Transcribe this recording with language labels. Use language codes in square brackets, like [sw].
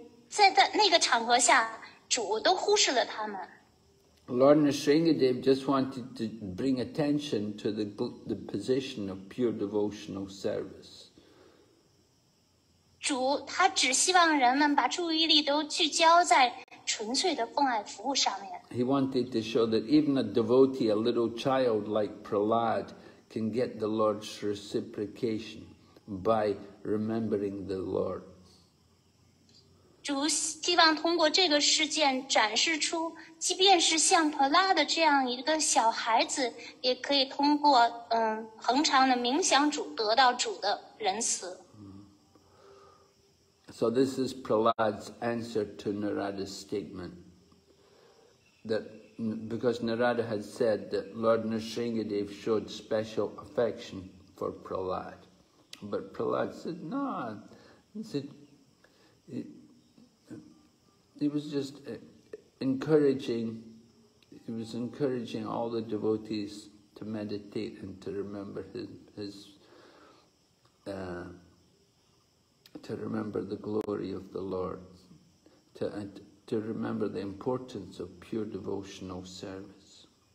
[zh] 在那个场合下，主都忽视了他们。 [en] Lord Nrsingadev just wanted to bring attention to the position of pure devotional service. [zh] 主他只希望人们把注意力都聚焦在纯粹的奉爱服务上面。 [en] He wanted to show that even a devotee, a little child like Prahlad, can get the Lord's reciprocation by remembering the Lord. [zh] 主希望通过这个事件展示出，即便是像普拉的这样一个小孩子，也可以通过恒常的冥想主得到主的仁慈。 [en] So this is Prahlad's answer to Narada's statement. That because Narada had said that Lord Nrsingadev showed special affection for Prahlad. But Prahlad said, no, he was encouraging all the devotees to meditate and to remember his the glory of the Lord, to remember the importance of pure devotional service.